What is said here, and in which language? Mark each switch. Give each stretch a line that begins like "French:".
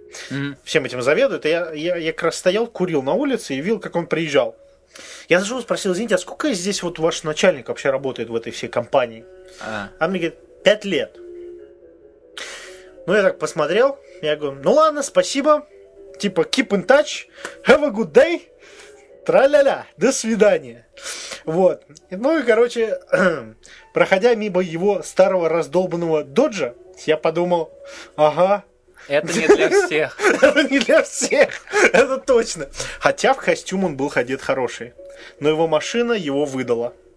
Russian: Mm-hmm. Всем этим заведует. Я как раз стоял, курил на улице и видел, как он приезжал. Я зашел и спросил: извините, а сколько здесь вот ваш начальник вообще работает в этой всей компании? Uh-huh. А мне говорит, 5 лет. Ну, я так посмотрел, я говорю, ну ладно, спасибо.
English: Типа, keep in touch, have a good day.
Russian: Тра-ля-ля, до свидания. Вот. Ну и, короче, проходя мимо его старого раздолбанного доджа, я подумал, ага. Это не для всех. Это не для всех, это точно. Хотя в костюм он был ходит хороший. Но его машина его выдала.